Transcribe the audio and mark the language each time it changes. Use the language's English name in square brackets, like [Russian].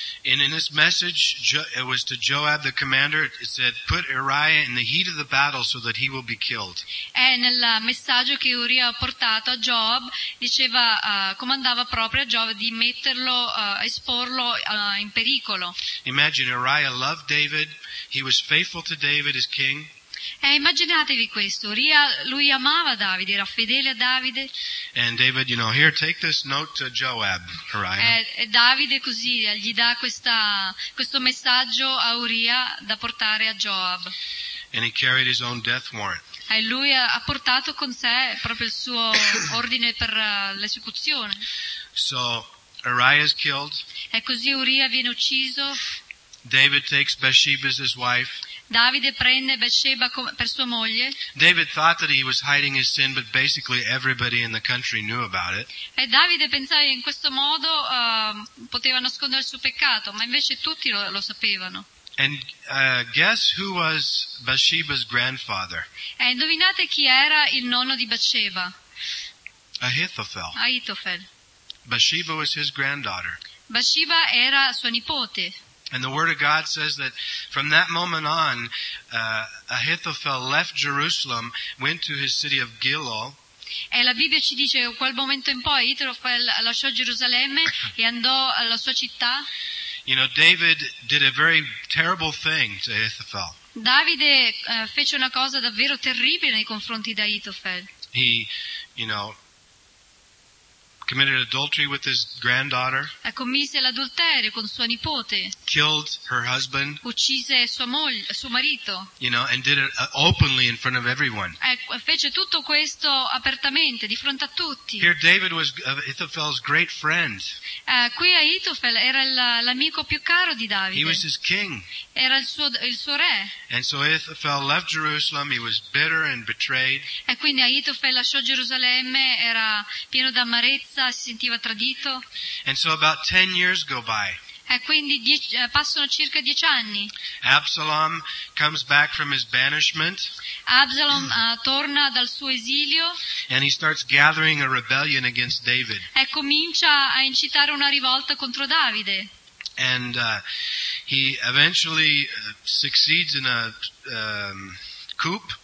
[English] And in this message it was to Joab the commander, it said put Uriah in the heat of the battle so that he will be killed. [Italian] E nel messaggio che Uria ha portato a Joab diceva comandava proprio a Joab di metterlo esporlo in pericolo. [English] Imagine Uriah loved David, he was faithful to David as king. [Italian] E immaginatevi questo, Uria lui amava Davide, era fedele a Davide. [English] And David, you know, here take this note to Joab, Uriah. [Italian] E Davide così gli dà questo messaggio a Uria da portare a Joab. [English] And he carried his own death warrant. [Italian] E lui ha portato con sé proprio il suo ordine per l'esecuzione. [English] So Uriah is killed. [Italian] E così Uria viene ucciso. [English] David takes Bathsheba as his wife. [Italian] Davide prende Bathsheba per sua moglie. [English] David thought that he was hiding his sin, but basically everybody in the country knew about it. [Italian] E Davide pensava che in questo modo poteva nascondere il suo peccato, ma invece tutti lo sapevano. [English] And guess who was Bathsheba's grandfather? [Italian] E indovinate chi era il nonno di Bathsheba? [English] Ahithophel. Bathsheba was his granddaughter. [Italian] Bathsheba era sua nipote. [English] And the word of God says that from that moment on, Ahithophel left Jerusalem, went to his city of Gilo. [Italian] E la Bibbia ci dice che quel momento in poi Ahithophel lasciò Gerusalemme e andò alla sua città. [English] You know, David did a very terrible thing to Ahithophel. [Italian] Davide fece una cosa davvero terribile nei confronti di Ahithophel. [English] He, you know, committed adultery with his granddaughter. [Italian] Ha commesso l'adulterio con sua nipote. [English] Killed her husband. [Italian] Uccise suo marito. [English] You know, and did it openly in front of everyone. [Italian] Fece tutto questo apertamente di fronte a tutti. [English] Here David was Ahithophel's great friend. [Italian] Qui Ahithophel era l'amico più caro di Davide. [English] He was his king. [Italian] Era il suo re. [English] And so Ahithophel left Jerusalem. He was bitter and betrayed. [Italian] E quindi Ahithophel lasciò Gerusalemme, era pieno d'amarezza. Si sentiva tradito. [English] And so about 10 years go by. [Italian] E quindi passano circa 10 anni. [English] Absalom comes back from his banishment. [Italian] Absalom torna dal suo esilio. [English] And he starts gathering a rebellion against David. [Italian] E comincia a incitare una rivolta contro Davide. [English] And he eventually succeeds in a coup.